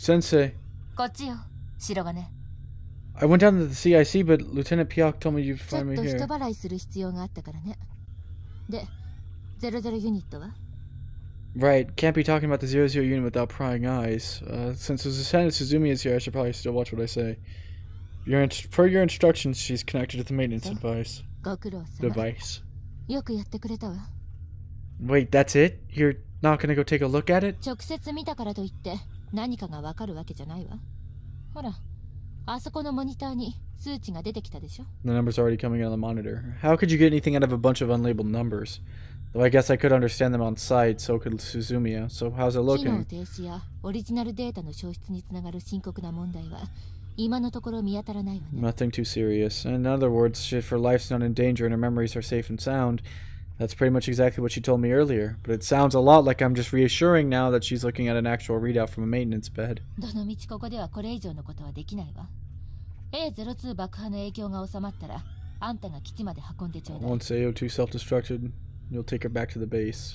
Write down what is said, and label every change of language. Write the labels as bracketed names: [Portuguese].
[Japanese] 何かありましたらお呼びください。提督、一つお願いがあるのですが。何でしょう。先生。こっちよ、白金。 [English] I went down to the CIC, but Lieutenant Piak told me you'd find me here. [Japanese] ちょっと人払いする必要があったからね。で、00ユニットは？ [English] Right, can't be talking about the 00 unit without prying eyes. Since the Lieutenant Suzumi is here, I should probably still watch what I say. Per your instructions, she's connected to the maintenance device. Wait, that's it? You're not gonna go take a look at it? [Japanese] 直接見たからといって何かがわかるわけじゃないわ。ほら、あそこのモニターに数値が出てきたでしょ。 [English] The number's already coming out of the monitor. How could you get anything out of a bunch of unlabeled numbers? Though I guess I could understand them on sight, so could Suzumiya. So how's it looking? [Japanese] 機能停止やオリジナルデータの消失につながる深刻な問題は。 [English] Nothing too serious. In other words, if her life's not in danger and her memories are safe and sound, that's pretty much exactly what she told me earlier. But it sounds a lot like I'm just reassuring now that she's looking at an actual readout from a maintenance bed. Once AO2 self-destructed, you'll take her back to the base.